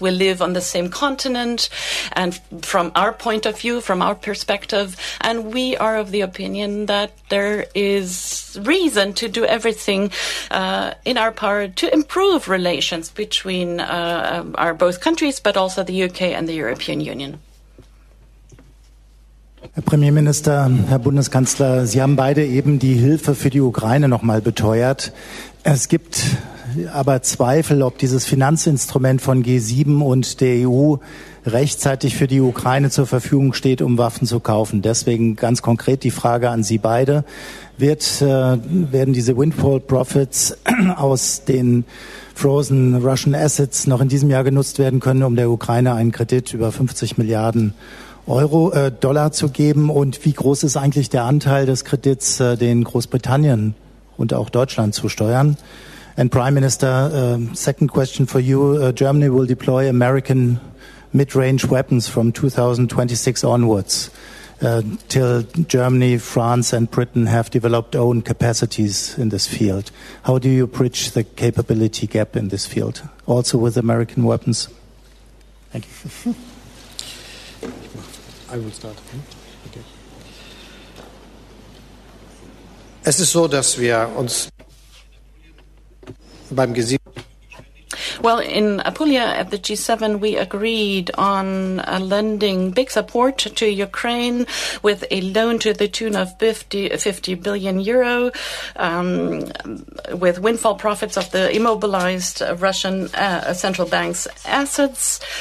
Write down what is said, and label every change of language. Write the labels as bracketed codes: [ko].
[en] We live on the same continent, and from our point of view, from our perspective, and we are of the opinion that there is reason to do everything in our power to improve relations between our both countries, but also the UK and the European Union. [de] Herr Premierminister, Herr Bundeskanzler, Sie haben beide eben die Hilfe für die Ukraine noch mal beteuert. Es gibt aber Zweifel, ob dieses Finanzinstrument von G7 und der EU rechtzeitig für die Ukraine zur Verfügung steht, um Waffen zu kaufen. Deswegen ganz konkret die Frage an Sie beide. Werden diese Windfall Profits aus den [en] frozen Russian Assets [de] noch in diesem Jahr genutzt werden können, um der Ukraine einen Kredit über 50 Milliarden Dollar zu geben? Und wie groß ist eigentlich der Anteil des Kredits, den Großbritannien und auch Deutschland zu steuern? [en] And Prime Minister, second question for you. Germany will deploy American mid-range weapons from 2026 onwards till Germany, France and Britain have developed own capacities in this field. How do you bridge the capability gap in this field, also with American weapons? Thank you. I will start. [de] Okay. Es ist so, dass wir uns beim G7. [en] Well, in Apulia at the G7, we agreed on lending big support to Ukraine with a loan to the tune of 50 billion euro, with windfall profits of the immobilized Russian central bank's assets.